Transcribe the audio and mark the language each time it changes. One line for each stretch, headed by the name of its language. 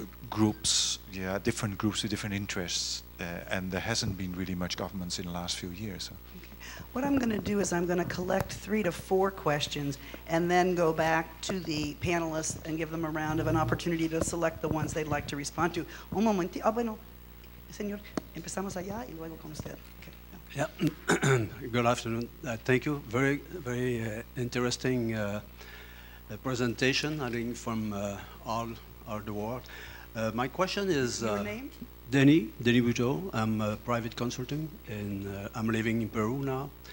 English: groups, yeah, different groups with different interests, and there hasn't been really much governments in the last few years. So. What I'm going to do is I'm going to collect 3 to 4 questions and then go back to the panelists and give them a round of an opportunity to select the ones they'd like to respond to.
Spanish: Un momento. Ah, bueno, señor, empezamos allá y luego con usted.
English: Okay. Yeah. Good afternoon. Thank you. Very, very interesting presentation, I think, from all over the world. My question is... Your name? Denny Buteau. I'm a private consultant, and I'm living in Peru now.